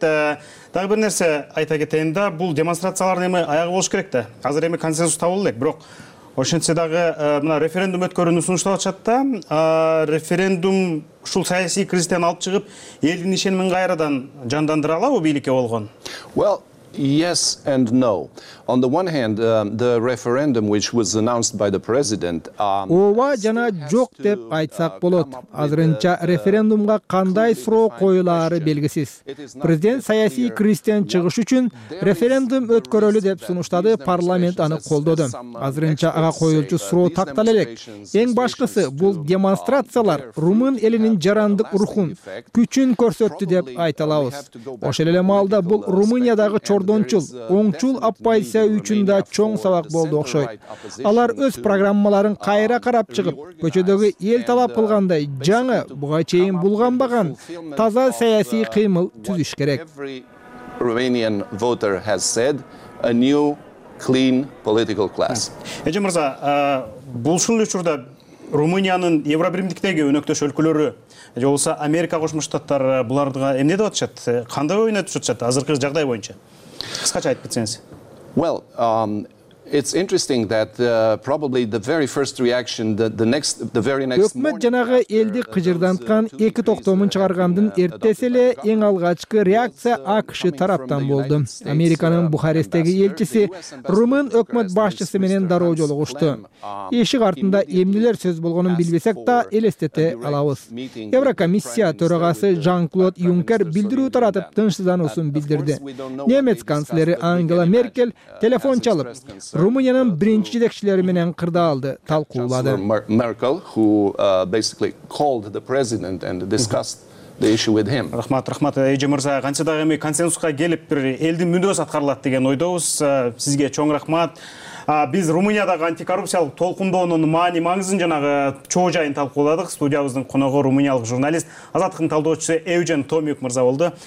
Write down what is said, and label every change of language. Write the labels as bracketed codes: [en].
[ky] Дагы бир нерсе айта кетейин да, бул демонстрациялардын эми аягы болуш керек да, азыр эми консенсус табылды элек, бирок ошентсе дагы мына референдум өткөрүүнү сунушталып атышат да. Референдум ушул саясий кризистен алып чыгып элдин ишенимин кайрадан жандандыра алабы бийликке болгон? [en] Well, yes and no. On the one hand, the referendum which was announced by the president, [ky] ооба жана жок деп айтсак болот. Азырынча референдумга кандай суроо коюлары белгисиз. Президент саясий кризистен чыгыш үчүн референдум өткөрөлү деп сунуштады, парламент аны колдоду. Азырынча ага коюлчу суроо тактала элек. Эң башкысы, бул демонстрациялар румын элинин жарандык рухун, күчүн көрсөттү деп айта алабыз. Ошол эле маалда бул Румыниядагы чордончул, оңчул оппозиция үчүн да чоң сабак болду окшойт. Алар өз программаларын кайра карап чыгып, көчөдөгү эл талап кылгандай жаңы, буга чейин булганбаган таза саясий кыймыл түзүш керек. [en] Romanian voter has said a new clean political class. [ky] Эже мырза, бул ушул эле учурда Румыниянын Евробиримдиктеги өнөктөш өлкөлөрү же болсо Америка Кошмош Штаттары буларга эмне деп атышат? Кандай ойнотуп атышат азыркы жагдай боюнча? Кыскача айтып кетсеңиз. [en] Well, it's interesting that probably the very first reaction the very next morning. [ky] Өкмөт жанагы элди кыжырданткан эки токтомун чыгаргандын эртеси эле эң алгачкы реакция АКШ тараптан болду. Американын Бухаресттеги элчиси румын өкмөт башчысы менен дароо жолугушту. Эшик артында эмнелер сөз болгонун билбесек да элестете алабыз. Еврокомиссия төрагасы Жан-Клод Юнкер билдирүү таратып тынчсыздануусун билдирди. Немец канцлери Ангела Меркель телефон чалып Румыниянын биринчи жетекчилери менен кырдаалды талкуулады. [en] Merkel who basically called the president and discussed the issue with him. [ky] Рахмат, Эже мырза, кантсе дагы эми консенсуска келип бир элдин мүндөсү аткарылат деген ойдобуз. Сизге чоң рахмат. Биз Румыниядагы антикоррупциялык толкундоонун маани-маңызын жанагы чоо жайын талкууладык. Студиябыздын коногу румыниялык журналист, Азаттыктын талдоочусу Эвжен Томюк мырза болду.